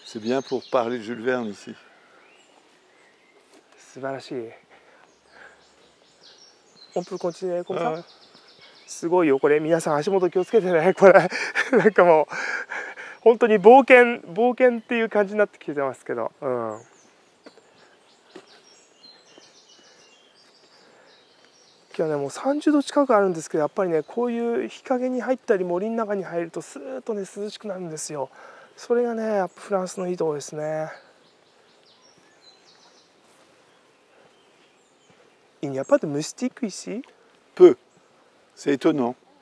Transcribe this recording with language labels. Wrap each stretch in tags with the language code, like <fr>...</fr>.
<fr>C'est bien pour parler de Jules Verne ici.</fr> <ja>素晴らしい。</ja> <fr>On peut continuer comme ça?</fr> <ja>すごいよこれ、皆さん足元気をつけてね、これなんかもう本当に冒険っていう感じになってきてますけど、うん、今日ねもう30度近くあるんですけど、やっぱりねこういう日陰に入ったり森の中に入るとスーッとね涼しくなるんですよ。それがねやっぱフランスのいいところですね。いや、やっぱりムスティックイシ</ja> <fr>プー、c'est étonnant.</fr>